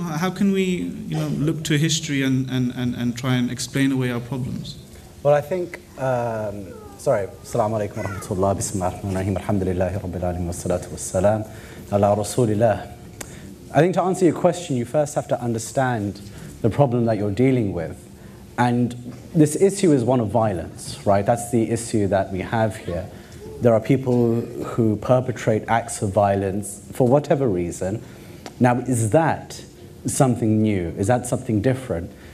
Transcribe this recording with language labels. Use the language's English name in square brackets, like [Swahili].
[English] How can we, look to history and try and explain away our problems? Well, I think, [Arabic] السلام عليكم ورحمة الله بسم الله الرحمن الرحيم الحمد لله رب العالمين والصلاة والسلام على رسول الله. [English] I think to answer your question, you first have to understand the problem that you're dealing with. And this issue is one of violence, right? That's the issue that we have here. There are people who perpetrate acts of violence for whatever reason. Now, is that something new? Is that something different?